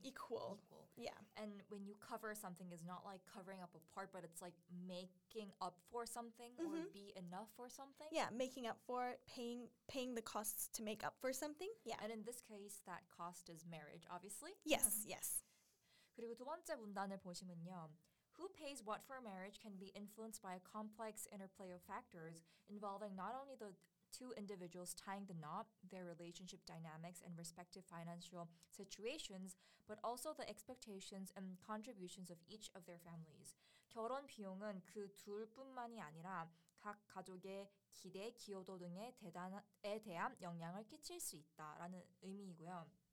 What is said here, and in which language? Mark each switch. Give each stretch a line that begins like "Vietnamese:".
English: equal. Equal. Yeah. And when you cover something, it's not like covering up a part, but it's like making up for something mm-hmm. or be enough for something. Yeah, making up for it, paying the costs to make up for something. Yeah. And in this case, that cost is marriage, obviously. Yes, yes.
Korean: 그리고 두 번째 문단을 보시면요.
English: Who pays what for marriage can be influenced by a complex interplay of factors involving not only the two individuals tying the knot, their relationship dynamics and respective financial situations, but also the expectations and contributions of each of their families.
Korean: 결혼 비용은 그 둘뿐만이 아니라 각 가족의 기대, 기여도 등에 대한 영향을 끼칠 수 있다라는 의미이고요.